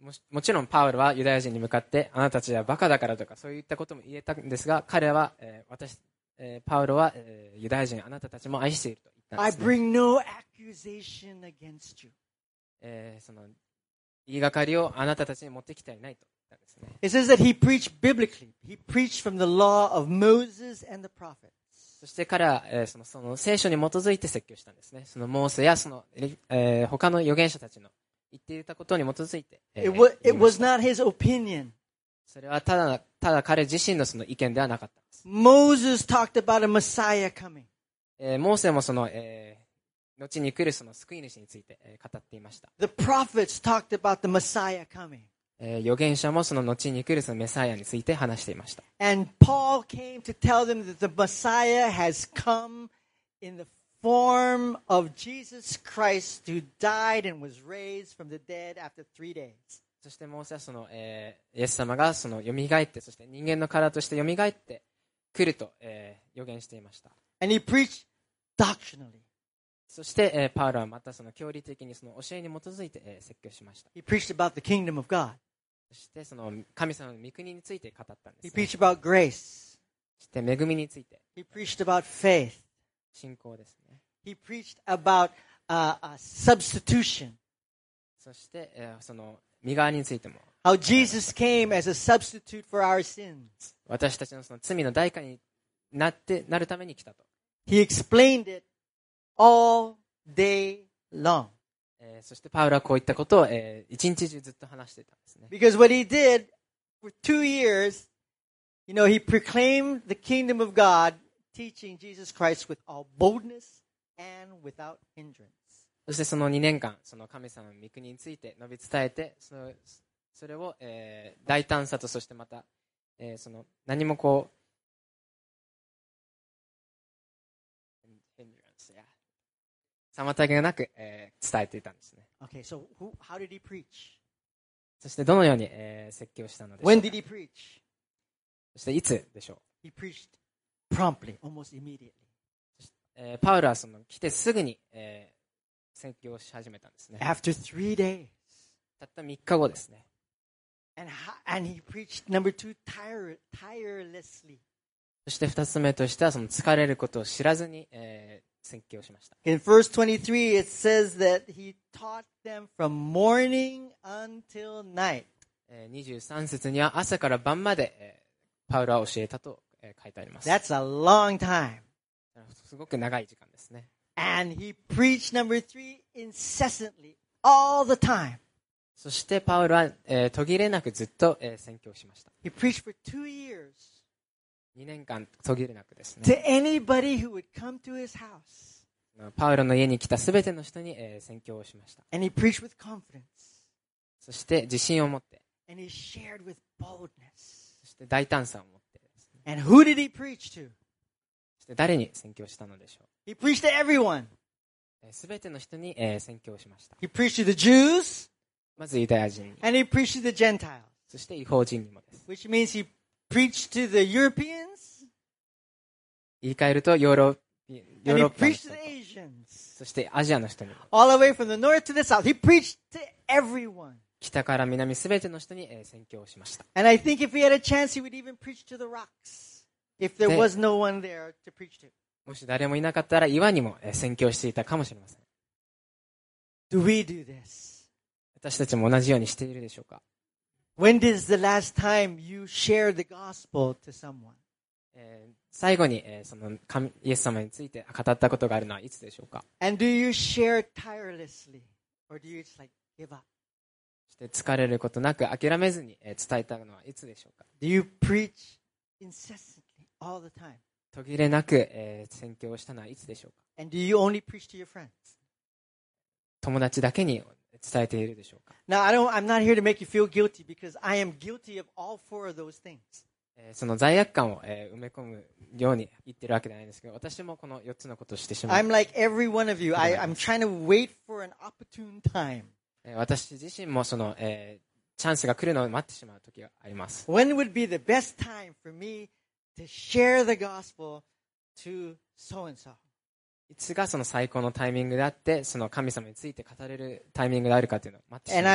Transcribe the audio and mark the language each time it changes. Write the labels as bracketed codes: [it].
[ja] もちろんパウロはユダヤ人に向かってあなたたちはバカだからとかそういったことも言えたんですが、彼は、私、パウロは、ユダヤ人あなたたちも愛していると言ったんですね。 [en] I bring no accusation against you. [ja] その言いがかりをあなたたちに持ってきてはいないと言ったんですね。 [en] It says that he preached biblically. He preached from the law of Moses and the prophets. [ja] そして彼は、その聖書に基づいて説教したんですね。そのモーセやその、他の預言者たちの言っていたことに基づいて、 [en] It was not his opinion. [ja] それはただ彼自身のその意見ではなかったんです。 [en] Moses talked about a Messiah coming. [ja] モーセもその、後に来るその救い主について、語っていました。 [en] The prophets talked about the Messiah coming. [ja] 預言者もその後に来るそのメサイアについて話していました。 [en] And Paul came to tell them that the Messiah has come in theform of Jesus Christ who died and was raised from the dead after three days. [ja] そしてモーセはその、イエス様がその蘇ってそして人間の体として蘇って来ると、予言していました。 [en] And he preached doctrinally. [ja] そして、パウロはまたその教理的にその教えに基づいて、説教しました。 [en] He preached about the kingdom of God. [ja] そしてその神様の御国について語ったんです、ね。 [en] He preached about grace. [ja] そして恵みについて。 [en] He preached about faith. [ja] 信仰ですね。 [en] He preached about substitution. [ja] そして、その身代わりについても。 [en] How Jesus came as a substitute for our sins. [ja] 私たちのその罪の代価になってなるために来たと。 [en] He explained it all day long. [ja] そしてパウロはこういったことを、一日中ずっと話していたんですね。 [en] Because what he did for two years, you know, he proclaimed the kingdom of God. Teaching Jesus Christ with all boldness and without hindrance. [ja] そしてその2年間、その神様の御国について述べ伝えて、それを、大胆さとそしてまた、その何もこう、 [en] hindrance, yeah. [ja] 妨げがなく、伝えていたんですね。 [en] Okay, so how did he preach? [ja] そしてどのように、説教したのでしょうか。 [en] When did he preach? [ja] そしていつでしょう。 [en] He preachedPromptly, almost immediately. [ja] パウロはその来てすぐに、宣教し始めたんですね。 [en] After three days. [ja] たった3日後ですね。 [en] And he preached number two, tirelessly. [ja] そして2つ目としてはその疲れることを知らずに、宣教しました。 [en] In verse 23, it says that he taught them from morning until night. [ja] 23節には朝から晩まで、パウロは教えたと。書いてあります。 [en] That's a long time. [ja] すごく長い時間ですね。 [en] And he preached number three incessantly, all the time. [ja] そしてパウロは、途切れなくずっと、宣教しました。 [en] He preached for two years. [ja] 2年間途切れなくですね。 [en] To anybody who would come to his house. [ja] パウロの家に来たすべての人に、宣教をしました。 [en] And he preached with confidence. [ja] そして自信を持って。 [en] And he shared with boldness. [ja] そして大胆さを。 [en] And who did he preach to? [ja] そして誰に宣教したのでしょう。 [en] He preached to everyone. [ja] すべての人に、宣教しました。 [en] He preached to the Jews. [ja] まずユダヤ人に。 [en] And he preached to the Gentiles. [ja] そして異邦人にもです。 [en] Which means he preach to the Europeans. [ja] 言い換えるとヨーロッパ。 [en] And he preached to the Asians. [ja] そしてアジアの人に。 [en] All the way from the north to the south, he preached to everyone. [ja] 北から南すべての人に宣教をしました。 [en] And I think if he had a chance, he would even preach to the rocks if there was no one there to preach to. [ja] もし誰もいなかったら岩にも宣教していたかもしれません。 [en] Do we do this? [ja] 私たちも同じようにしているでしょうか。 [en] When is the last time you shared the gospel to someone? [ja] 最後に、その神イエス様について語ったことがあるのはいつでしょうか。 [en] And do you share tirelessly, or do you just like give up? [ja] そして疲れることなく諦めずに伝えたのはいつでしょうか。 [en] Do you preach incessantly all the time? [ja] 途切れなく宣教をしたのはいつでしょうか。 [en] And do you only preach to your friends? [ja] 友達だけに伝えているでしょうか。 [en] Now I'm not here to make you feel guilty because I am guilty of all four of those things. [ja] その罪悪感を埋め込むように言ってるわけではないんですけど、私もこの4つのことをしてしまう。 [en] I'm like every one of you. I'm trying to wait for an opportune time. [ja] 私自身もその、チャンスが来るのを待ってしまう時があります。 [en] When would be the best time for me to share the gospel to so and so? [ja] いつがその最高のタイミングであって、その神様について語れるタイミングであるかというのを待ってしまう。